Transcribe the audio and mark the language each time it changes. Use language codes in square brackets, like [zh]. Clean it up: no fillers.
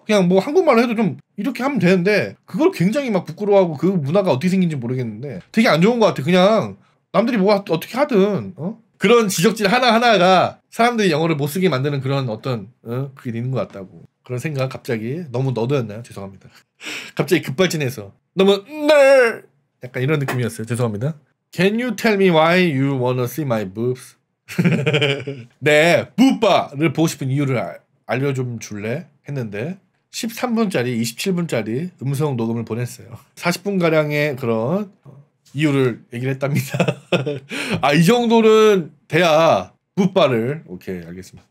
[ko] 그냥 뭐 한국말로 해도 좀 이렇게 하면 되는데 그걸 굉장히 막 부끄러워하고 그 문화가 어떻게 생긴지 모르겠는데 되게 안 좋은 것 같아. 그냥 남들이 뭐 어떻게 하든 어? 그런 지적질 하나하나가 사람들이 영어를 못 쓰게 만드는 그런 어떤 어? 그게 있는 것 같다고. 그런 생각 갑자기 너무 너드였나요? 죄송합니다. 갑자기 급발진해서 너무 nerd 약간 이런 느낌이었어요. 죄송합니다. [en] Can you tell me why you wanna see my boobs? [ko] 네, 부빠를 보고 싶은 이유를 알려 좀 줄래? 했는데 13분짜리, 27분짜리 음성 녹음을 보냈어요. 40분가량의 그런 이유를 얘기를 했답니다. 아, 이 정도는 돼야 부빠를 오케이, 알겠습니다.